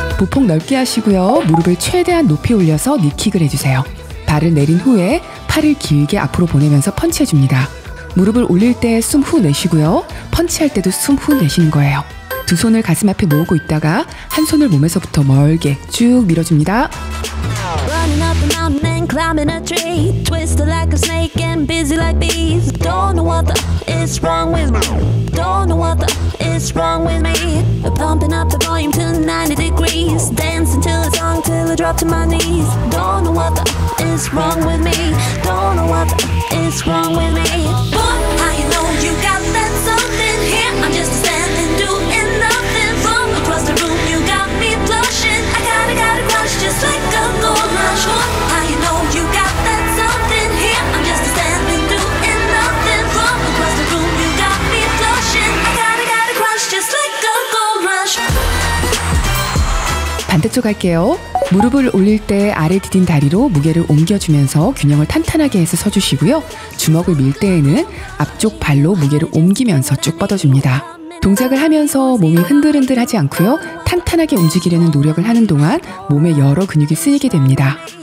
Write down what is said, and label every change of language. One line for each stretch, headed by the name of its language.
Korean: 복 넓게 하시고요. 무릎을 최대한 높이 올려서 니킥을 해주세요. 발을 내린 후에 팔을 길게 앞으로 보내면서 펀치해줍니다. 무릎을 올릴 때 숨 후 내쉬고요. 펀치할 때도 숨 후 내쉬는 거예요. 두 손을 가슴 앞에 모으고 있다가 한 손을 몸에서부터 멀게 쭉 밀어줍니다.
English: Running up the mountain and climbing a tree, twisted like a snake and busy like bees. Don't know what the is wrong with me. Don't know what the is wrong with me. Pumping up the volume to 90 degrees. Dancing till it's on till I drop to my knees. Don't know what the is wrong with me. Don't know what the is wrong with me. Boy, how you know you got that something here? I'm just standing doing nothing from across the room. You got me blushing. I got a crush just like a gold rush. Boy, how you know you got that something here? I'm just standing doing nothing from across the room. You got me blushing. I got a crush just like a gold rush.
Korean: 반대쪽 할게요. 무릎을 올릴 때 아래 디딘 다리로 무게를 옮겨주면서 균형을 탄탄하게 해서 서주시고요. 주먹을 밀 때에는 앞쪽 발로 무게를 옮기면서 쭉 뻗어줍니다. 동작을 하면서 몸이 흔들흔들하지 않고요. 탄탄하게 움직이려는 노력을 하는 동안 몸의 여러 근육이 쓰이게 됩니다.